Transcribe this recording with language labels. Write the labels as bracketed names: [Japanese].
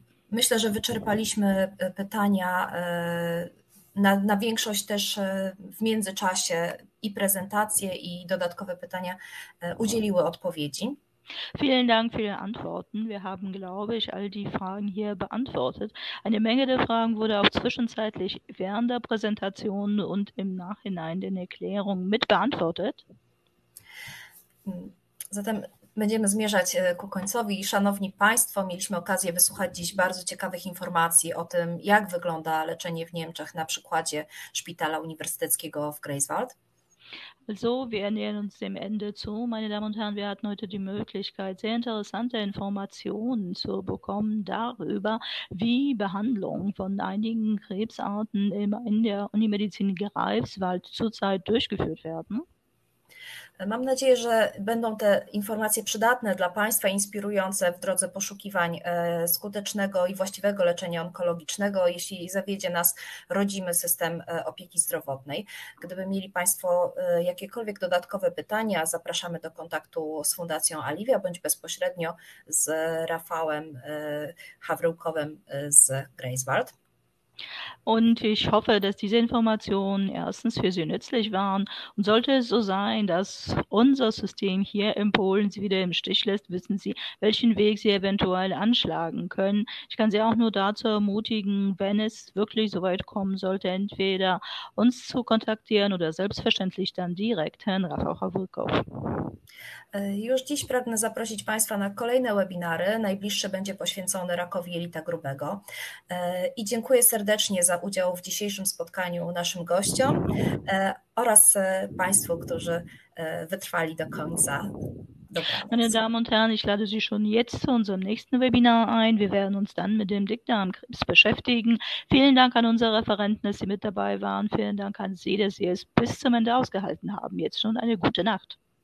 [Polish] Myślę, że wyczerpaliśmy pytania na większość też w międzyczasie i prezentacje, i dodatkowe pytania udzieliły odpowiedzi. [German] Vielen Dank für die Antworten. Wir haben, glaube ich, all die Fragen hier beantwortet. Eine Menge der Fragen wurde auch zwischenzeitlich während der Präsentation und im Nachhinein den Erklärungen mit beantwortet. [Polish] Zatem będziemy zmierzać ku końcowi. Szanowni Państwo, mieliśmy okazję wysłuchać dziś bardzo ciekawych informacji o tym, jak wygląda leczenie w Niemczech na przykładzie szpitala uniwersyteckiego w Greifswald. [German] Also, wir nähern uns dem Ende zu. Meine Damen und Herren, wir hatten heute die Möglichkeit, sehr interessante Informationen zu bekommen darüber, wie Behandlung von einigen Krebsarten in der Unimedizin Greifswald zurzeit durchgeführt werden. [Polish] Mam nadzieję, że będą te informacje przydatne dla Państwa, inspirujące w drodze poszukiwań skutecznego i właściwego leczenia onkologicznego, jeśli zawiedzie nas rodzimy system opieki zdrowotnej. Gdyby mieli Państwo jakiekolwiek dodatkowe pytania, zapraszamy do kontaktu z Fundacją Alivia bądź bezpośrednio z Rafałem Hawryłkowem z Greifswald. [German] Und ich hoffe, dass diese Informationen erstens für Sie nützlich waren. Und sollte es so sein, dass unser System hier in Polen Sie wieder im Stich lässt, wissen Sie, welchen Weg Sie eventuell anschlagen können. Ich kann Sie auch nur dazu ermutigen, wenn es wirklich so weit kommen sollte, entweder uns zu kontaktieren oder selbstverständlich dann direkt Herrn Rafał Hawryłkow. [Polish] Już dziś pragnę zaprosić Państwa na kolejne webinary. Najbliższe będzie poświęcone rakowi jelita grubego. I dziękuję serdecznie za udział w dzisiejszym spotkaniu naszym gościom oraz Państwu, którzy wytrwali do końca. [German] Meine Damen und Herren, ich lade Sie schon jetzt zu unserem nächsten Webinar ein. Wir werden uns dann mit dem Dickdarmkrebs beschäftigen. Vielen Dank an unsere Referenten, dass Sie mit dabei waren. Vielen Dank an Sie, dass Sie es bis zum Ende ausgehalten haben. Jetzt schon eine gute Nacht.